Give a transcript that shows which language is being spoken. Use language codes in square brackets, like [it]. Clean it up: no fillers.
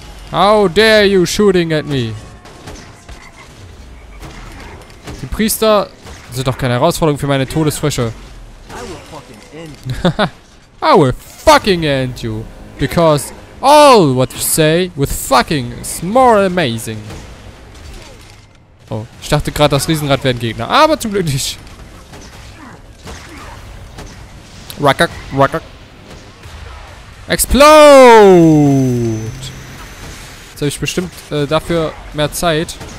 [en] How dare you shooting at me? [de] Die Priester sind doch keine Herausforderung für meine Todesfrösche. [en] I will fucking end you. Because all what you say with fucking is more amazing. [de] Oh, ich dachte gerade, das Riesenrad wäre ein Gegner. Aber zum Glück nicht. [en] Rucker, rucker. Explode! [de] Jetzt habe ich bestimmt dafür mehr Zeit.